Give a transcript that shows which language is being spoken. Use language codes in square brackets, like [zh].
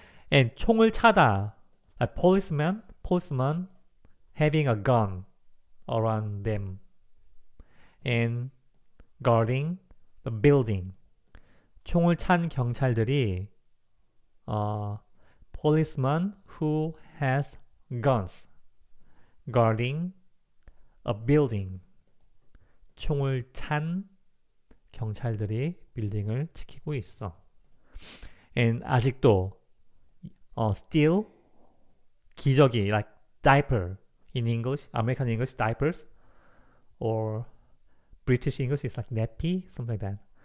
[en] And [ko] 총을 차다, [en] a policeman having a gun around them and guarding the building. [ko] 총을 찬 경찰들이, [en] policeman who has guns guarding a building. [ko] 총을 찬 경찰들이 빌딩을 지키고 있어. [en] And [ko] 아직도 [en] still 기저귀, like diaper in English, American English, diapers, or British English is like nappy, something like that.